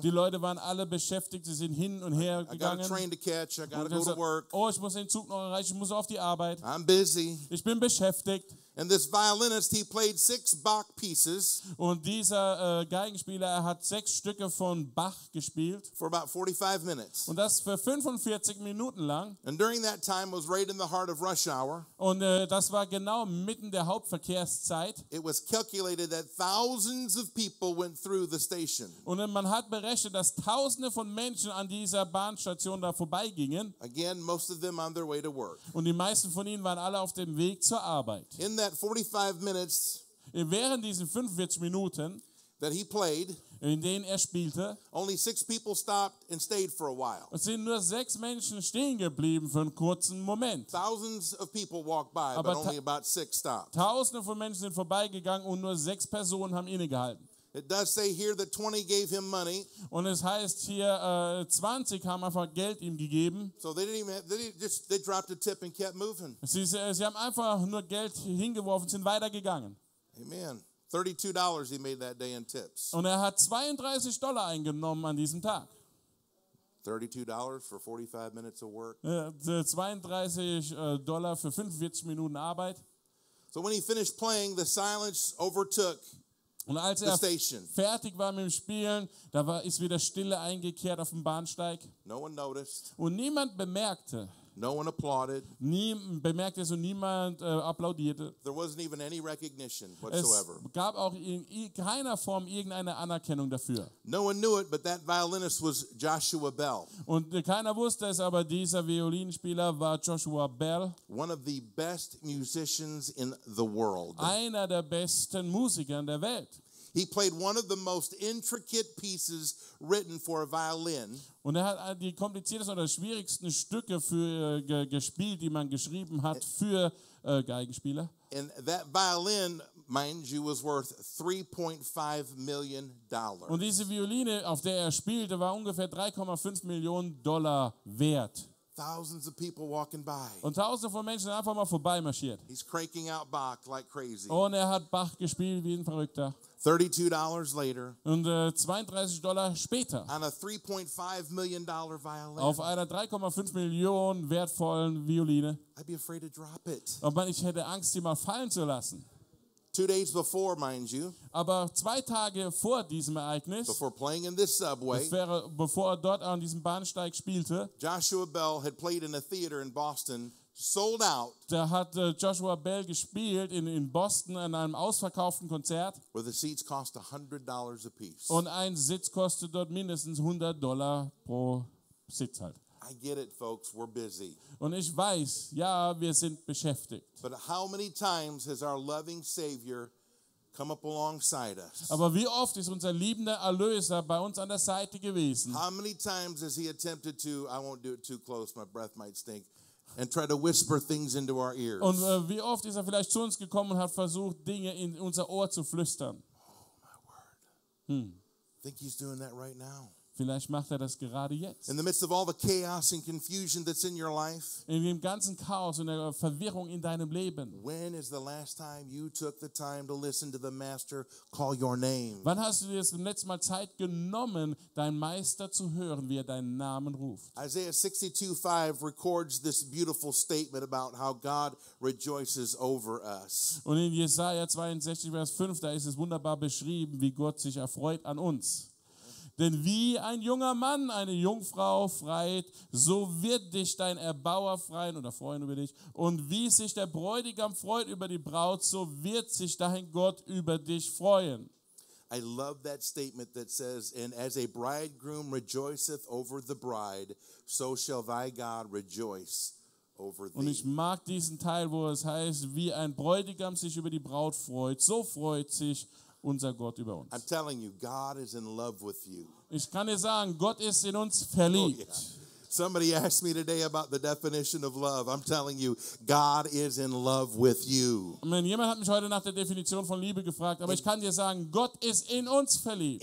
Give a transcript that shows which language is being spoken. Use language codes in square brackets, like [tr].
[de] Die Leute waren alle beschäftigt. Sie sind hin und her gegangen. [en] I got a train to catch. I got to go to work. [de] Oh, ich muss den Zug noch erreichen. Ich muss auf die Arbeit. [en] I'm busy. [de] Ich bin beschäftigt. [en] And this violinist, he played 6 Bach pieces. [de] Und dieser Geigenspieler, er hat 6 Stücke von Bach gespielt. [en] For about 45 minutes. [de] Und das für 45 Minuten lang. [en] And during that time was right in the heart of rush hour. [de] Und das war genau mitten der Hauptverkehrszeit. [en] It was calculated that thousands of people went through the station. [de] Und man hat berechnet, dass Tausende von Menschen an dieser Bahnstation da vorbeigingen. [en] Again, most of them on their way to work. [de] Und die meisten von ihnen waren alle auf dem Weg zur Arbeit. [en] That 45 minutes, [de] während diesen 45 Minuten, [en] that he played, [de] in denen er spielte, [en] only 6 people stopped and stayed for a while. [de] Es sind nur 6 Menschen stehen geblieben für einen kurzen Moment. [en] Thousands of people walked by, [de] aber [en] but only about 6 stopped. [de] Tausende von Menschen sind vorbeigegangen und nur 6 Personen haben innegehalten. [en] It does say here that 20 gave him money. [de] Und es heißt hier 20 haben einfach Geld ihm gegeben. [en] So they didn't even they dropped a tip and kept moving. [de] Sie haben einfach nur Geld hingeworfen, sind weitergegangen. [en] Amen. $32 he made that day in tips. [de] Und er hat $32 eingenommen an diesem Tag. [en] $32 for 45 minutes of work. [de] $32 für 45 Minuten Arbeit. [en] So when he finished playing, the silence overtook. [de] Und als er fertig war mit dem Spielen, da war, ist wieder Stille eingekehrt auf dem Bahnsteig. [en] No one noticed. [de] Und niemand bemerkte. [en] No one applauded. [de] Niemand applaudierte. [en] There wasn't even any recognition whatsoever. [de] Es gab auch in keiner Form irgendeine Anerkennung dafür. [en] No one knew it, but that violinist was Joshua Bell. [de] Und keiner wusste es, aber dieser Violinspieler war Joshua Bell. [en] One of the best musicians in the world. [de] Einer der besten Musiker der Welt. [en] He played one of the most intricate pieces written for a violin. [de] Und er hat die kompliziertesten oder schwierigsten Stücke für gespielt, die man geschrieben hat für Geigenspieler. [en] And that violin, mind you, was worth $3.5 million. [de] Und diese Violine, auf der er spielte, war ungefähr 3,5 Millionen Dollar wert. [en] Thousands of people walking by. [de] Und Tausende von Menschen sind einfach mal vorbeimarschiert. [en] He's cranking out Bach like crazy. [de] Und er hat Bach gespielt wie ein Verrückter. [en] $32 later. [de] Und $32 später. [en] On a $3.5 million violin. [de] Auf einer 3,5 Millionen wertvollen Violine. [en] I'd be afraid to drop it. [de] Aber ich hätte Angst, sie mal fallen zu lassen. [en] 2 days before, mind you. [de] Aber 2 Tage vor diesem Ereignis. [en] Before playing in this subway. [de] Bevor dort an diesem Bahnsteig spielte. [en] Joshua Bell had played in a theater in Boston. Sold out. [de] Da hat Joshua Bell gespielt in Boston an einem ausverkauften Konzert. [en] Where the seats cost $100 a piece. [de] Und ein Sitz kostet dort mindestens $100 pro Sitz halt. [en] I get it, folks. We're busy. [de] Und ich weiß, ja, wir sind beschäftigt. [en] But how many times has our loving Savior come up alongside us? [de] Aber wie oft ist unser liebender Erlöser bei uns an der Seite gewesen? [en] How many times has he attempted to? I won't do it too close. My breath might stink. And try to whisper things into our ears. [de] Und wie oft ist er vielleicht zu uns gekommen und hat versucht, Dinge in unser Ohr zu flüstern? [en] Oh, my word. Hm. Think he's doing that right now. [de] Vielleicht macht er das gerade jetzt. [en] In the midst of all the chaos and confusion that's in your life. [de] In dem ganzen Chaos und der Verwirrung in deinem Leben. [en] When is the last time you took the time to listen to the master call your name? [de] Wann hast du dir das letzte Mal Zeit genommen, deinen Meister zu hören, wie er deinen Namen ruft? [en] Isaiah 62:5 records this beautiful statement about how God rejoices over us. [de] Und in Jesaja 62 Vers 5, da ist es wunderbar beschrieben, wie Gott sich erfreut an uns. Denn wie ein junger Mann eine Jungfrau freit, so wird dich dein Erbauer freuen oder freuen über dich. Und wie sich der Bräutigam freut über die Braut, so wird sich dein Gott über dich freuen. [en] I love that statement that says, and as a bridegroom rejoiceth over the bride, so shall thy God rejoice over thee. [de] Und ich mag diesen Teil, wo es heißt, wie ein Bräutigam sich über die Braut freut, so freut sich unser Gott über uns. [en] I'm telling you, God is in love with you. [de] Ich kann dir sagen, Gott ist in uns verliebt. [en] Oh, yeah. Somebody asked me today about the definition of love. I'm telling you, God is in love with you. [de] Jemand hat mich heute nach der Definition von Liebe gefragt, aber ich kann dir sagen, Gott ist in uns verliebt.